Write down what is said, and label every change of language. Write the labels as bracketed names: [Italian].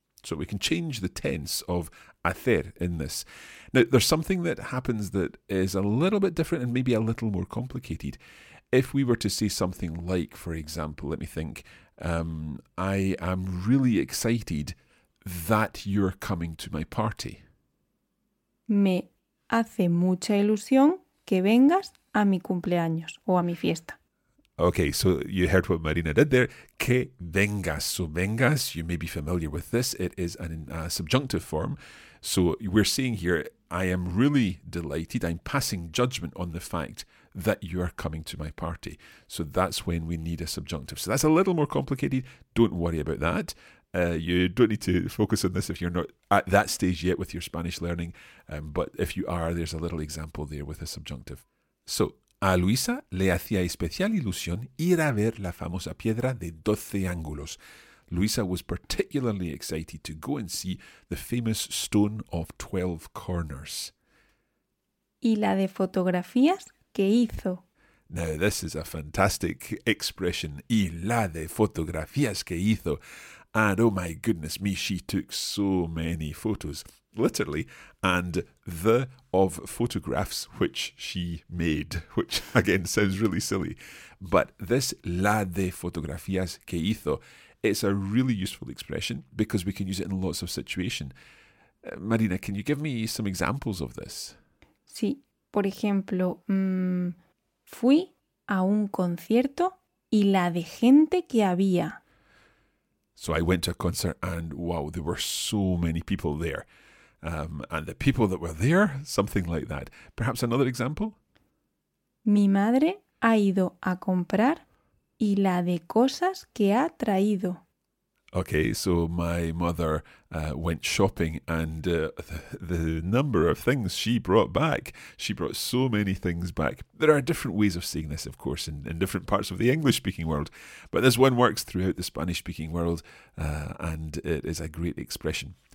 [English] So we can change the tense of hacer in this. Now, there's something that happens that is a little bit different and maybe a little more complicated. If we were to see something like, for example, let me think, I am really excited that you're coming to my party. [Spanish] Me hace mucha ilusión que vengas a mi cumpleaños o a mi fiesta. [English] Okay, so you heard what Marina did there. [Spanish] Que vengas. [English] So vengas, you may be familiar with this. It is a subjunctive form. So we're seeing here, I am really delighted. I'm passing judgment on the fact that you are coming to my party. So that's when we need a subjunctive. So that's a little more complicated. Don't worry about that. You don't need to focus on this if you're not at that stage yet with your Spanish learning. But if you are, there's a little example there with a subjunctive. [Spanish] So a Luisa le hacía especial ilusión ir a ver la famosa piedra de 12 ángulos. [English] Luisa was particularly excited to go and see the famous stone of 12 corners. [Spanish] Y la de fotografías que hizo. [English] Now, this is a fantastic expression. [Spanish] Y la de fotografías que hizo. [English] And oh my goodness me, she took so many photos, literally, and the of photographs which she made, which again sounds really silly. But this [Spanish] la de fotografías que hizo, [English] it's a really useful expression because we can use it in lots of situations. Marina, can you give me some examples of this? [Spanish] Sí, por ejemplo, fui a un concierto y la de gente que había. [English] So I went to a concert and wow, there were so many people there. And the people that were there, something like that. Perhaps another example? [Spanish] Mi madre ha ido a comprar y la de cosas que ha traído. [English] Okay, so my mother went shopping and the number of things she brought back. She brought so many things back. There are different ways of saying this, of course, in different parts of the English-speaking world. But this one works throughout the Spanish-speaking world and it is a great expression.